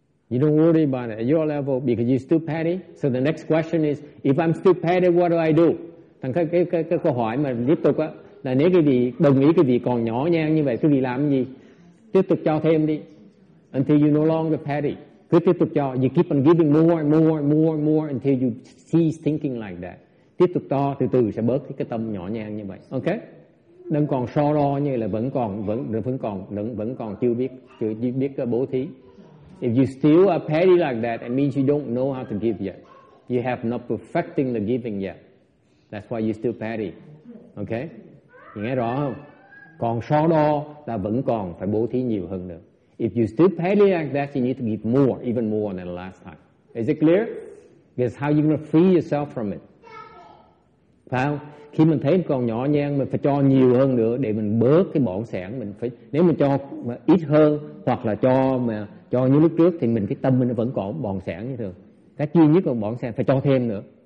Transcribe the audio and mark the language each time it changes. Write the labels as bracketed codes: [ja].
[en] you don't worry about it at your level because you're still petty. So the next question is, if I'm still petty, what do I do? [vi] Thành cái câu hỏi mà tiếp tục á là nếu cái vị đồng ý cái vị còn nhỏ nhen như vậy, cái vị làm gì? Tiếp tục cho thêm đi. [en] Until you no longer petty, [vi] cứ tiếp tục cho. [en] You keep on giving more and more and more and more until you cease thinking like that. [vi] Tiếp tục to, từ từ sẽ bớt cái tâm nhỏ nhen như vậy. Okay? Đừng còn so đo như là vẫn còn chưa biết bố thí. [en] If you still are petty like that, it means you don't know how to give yet. You have not perfecting the giving yet. That's why you're still petty. Okay? [vi] Nghe rõ không? Còn so đo là vẫn còn phải bố thí nhiều hơn nữa. [en] If you're still petty like that, you need to give more, even more than the last time. Is it clear? Because how you're going to free yourself from it. [vi] Phải không? Khi mình thấy còn nhỏ nhen, mình phải cho nhiều hơn nữa để mình bớt cái bỏng sẻn. Mình phải, nếu mình cho mà ít hơn hoặc là cho mà cho như lúc trước thì mình cái tâm mình nó vẫn còn bòn sẻn như thường. Cái duy nhất còn bòn sẻn phải cho thêm nữa.